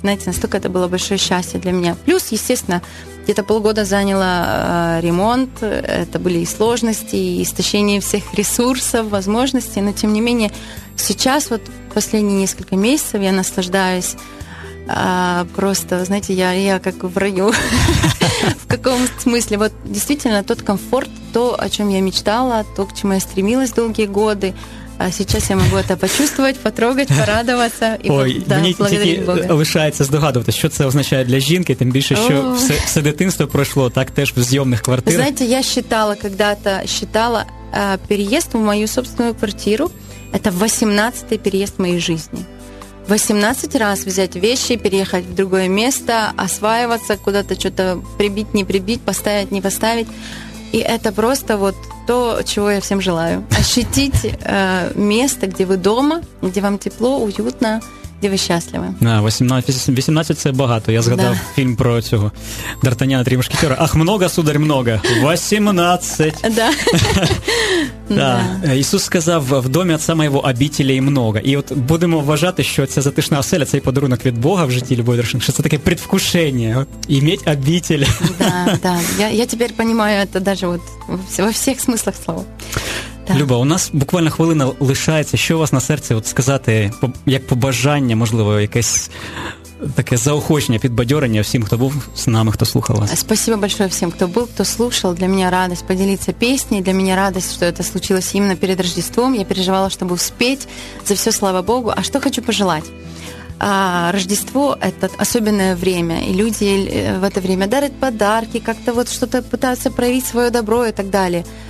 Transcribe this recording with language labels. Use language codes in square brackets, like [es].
[ru] Знаете, настолько это было большое счастье для меня. Плюс, естественно, где-то полгода заняла ремонт, это были и сложности, и истощение всех ресурсов, возможностей, но тем не менее сейчас, вот последние несколько месяцев, я наслаждаюсь. Просто, знаете, я как в раю. В каком смысле? Вот действительно тот комфорт, то, о чем я мечтала, то, к чему я стремилась долгие годы. А сейчас я могу это почувствовать, потрогать, порадоваться. И благодарить Бога. [uk] Мені лишається здогадуватися, що це означає для жінки, тим більше, що все дитинство пройшло так теж в зйомних квартирах. [ru] Знаете, я считала когда-то переезд в мою собственную квартиру, это 18-й переезд в моей жизни. 18 раз взять вещи, переехать в другое место, осваиваться, куда-то что-то прибить, не прибить, поставить, не поставить. И это просто вот то, чего я всем желаю. Ощутить место, где вы дома, где вам тепло, уютно, где вы счастливы. [uk] Да, 18 – це багато. Я згадав фільм про цього Д'Артаняна, «Три мушкетера». [ru] Ах, много, сударь, много. 18. Да. Да. [uk] Ісус сказав: [ru] «В домі отця моєго обітелі много». [uk] І от будемо вважати, що ця затишна оселя – це подарунок від Бога в житті Любові Дорошенко, що це таке предвкушення, іметь обітель. [ru] Да, да. [uk] Я тепер розумію це навіть вот во всіх смислах слова. [ru] Да. [uk] Люба, у нас буквально хвилина лишається. Що у вас на серці от сказати, як побажання, можливо, якесь таке заохочення, підбадьорення всім, хто був з нами, хто слухав вас. [ru] Спасибо большое всем, кто был, кто слушал. Для меня радость поделиться песней. Для меня радость, что это случилось именно перед Рождеством. Я переживала, чтобы успеть. За все слава Богу. А что хочу пожелать? Рождество – это особенное время. И люди в это время дарят подарки, как-то вот что-то пытаются проявить свое добро и так далее.